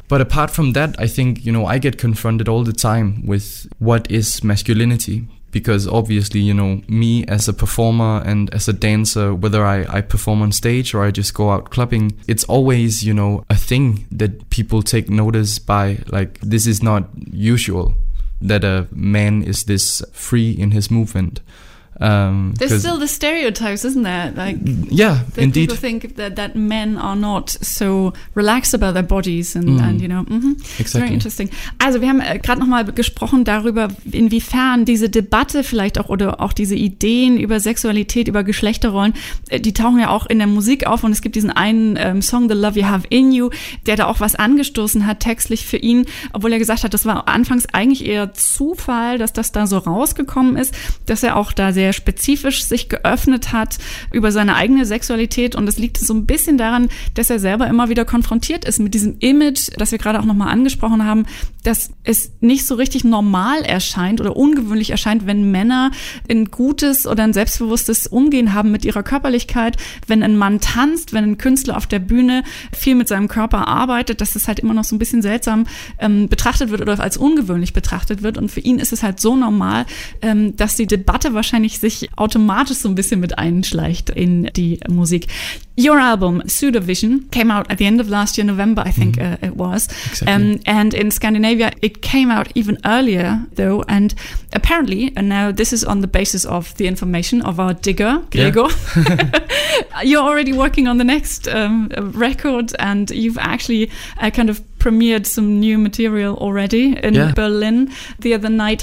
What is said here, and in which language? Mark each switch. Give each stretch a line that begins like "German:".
English: But apart from that, I think, you know, I get confronted all the time with what is masculinity, because obviously, you know, me as a performer and as a dancer, whether I perform on stage or I just go out clubbing, it's always, you know, a thing that people take notice by, like, this is not usual. that a man is this free in his movement. There's still the stereotypes, isn't there? Indeed. People think that men are not so relaxed about their bodies and you know. Mm-hmm. Exactly. Very interesting.
German: Also, wir haben gerade nochmal gesprochen darüber, inwiefern diese Debatte vielleicht auch oder auch diese Ideen über Sexualität, über Geschlechterrollen, die tauchen ja auch in der Musik auf. Und es gibt diesen einen Song, The Love You Have In You, der da auch was angestoßen hat textlich für ihn, obwohl er gesagt hat, das war anfangs eigentlich eher Zufall, dass das da so rausgekommen ist, dass er auch da sehr spezifisch sich geöffnet hat über seine eigene Sexualität. Und das liegt so ein bisschen daran, dass er selber immer wieder konfrontiert ist mit diesem Image, das wir gerade auch nochmal angesprochen haben, dass es nicht so richtig normal erscheint oder ungewöhnlich erscheint, wenn Männer ein gutes oder ein selbstbewusstes Umgehen haben mit ihrer Körperlichkeit. Wenn ein Mann tanzt, wenn ein Künstler auf der Bühne viel mit seinem Körper arbeitet, dass das halt immer noch so ein bisschen seltsam betrachtet wird oder als ungewöhnlich betrachtet wird. Und für ihn ist es halt so normal, dass die Debatte wahrscheinlich sich automatisch so ein bisschen mit einschleicht in die Musik.
English: Your album, Pseudovision, came out at the end of last year, November, I think it was. Exactly. And in Scandinavia, it came out even earlier, though. And apparently, and now this is on the basis of the information of our digger, Gregor. Yeah. You're already working on the next record, and you've actually kind of premiered some new material already in Berlin the other night.